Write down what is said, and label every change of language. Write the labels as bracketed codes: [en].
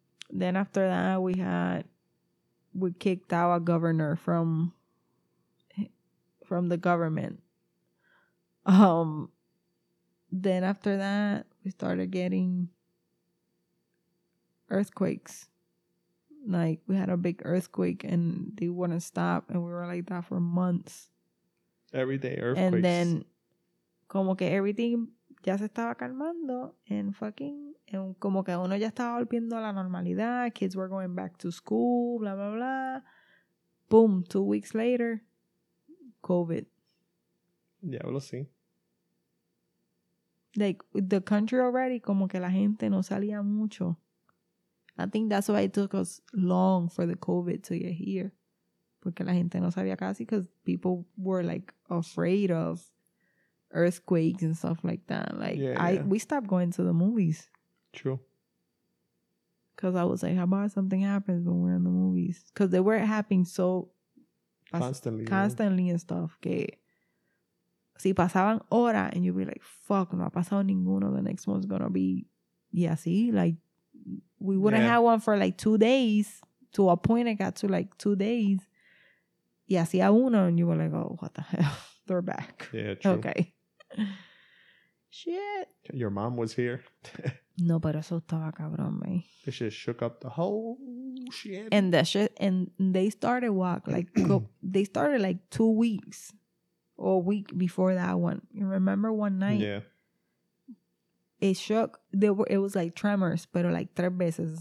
[en] Then after that, we kicked out a governor from the government. Then after that, we started getting earthquakes. Like, we had a big earthquake and they wouldn't stop. And we were like that for months. Every day, earthquakes. And then, [es] como que everything ya se estaba calmando. [en] And fucking, and [es] como que uno ya estaba volviendo a la normalidad. [en] Kids were going back to school, blah, blah, blah. Boom, 2 weeks later, COVID. Yeah, we'll see. Like, the country already, [es] como que la gente no salía mucho. [en] I think that's why it took us long for the COVID to get here. [es] Porque la gente no sabía casi, [en] because people were, like, afraid of earthquakes and stuff like that. Like, we stopped going to the movies. True. Because I was like, how about something happens when we're in the movies? Because they were happening so... Constantly and stuff. [es] Que... Si pasaban horas, [en] and you'd be like, fuck, [es] no ha pasado ninguno. [en] The next one's gonna be... Yeah, see? Like, we wouldn't have one for, like, 2 days. To a point, it got to, like, 2 days. [es] Y hacía uno, [en] and you were like, oh, what the hell? They're back. Yeah, true. Okay. Shit. Your mom was here. [es] No, pero eso estaba cabrón, man. [en] This shit shook up the whole shit. And that shit, and they started walk, like, they started, like, 2 weeks or a week before that one. You remember one night? Yeah. It shook. It was like tremors, pero like [es] tres veces.